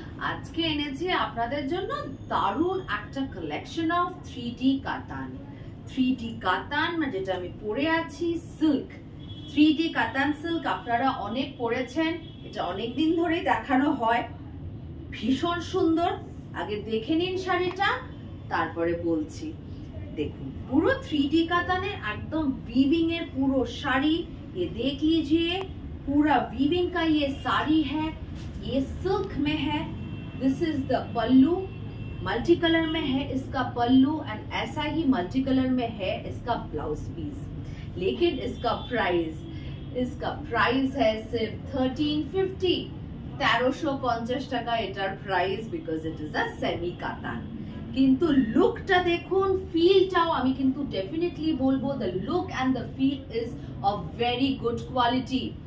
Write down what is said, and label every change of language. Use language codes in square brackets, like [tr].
[bn] আজকে এনেছি আপনাদের জন্য দারুণ একটা কালেকশন অফ 3D কাতান। 3D কাতান মানে যেটা আমি পরে আছি সিল্ক, 3D কাতান সিল্ক। আপনারা অনেক পরেছেন, এটা অনেক দিন ধরেই দেখানো হয়, ভীষণ সুন্দর। আগে দেখে নিন শাড়িটা, তারপরে বলছি। দেখুন, পুরো 3D কাতানের একদম উইভিং এর পুরো শাড়ি, [hi] ये देख लीजिए, पूरा वीविंग का ये साड़ी है, ये सिल्क में है। [en] this is the pallu, [hi] multi colour में है इसका पल्लू, एंड ऐसा ही मल्टी कलर में है इसका ब्लाउज पीस। लेकिन इसका प्राइस है सिर्फ 1350 [bn] টাকা এটার price, [en] Because it is a semi katan. [bn] কিন্তু লুকটা দেখুন, ফিলটাও আমি কিন্তু ডেফিনেটলি বলবো, [en] The look and the feel is of very good quality.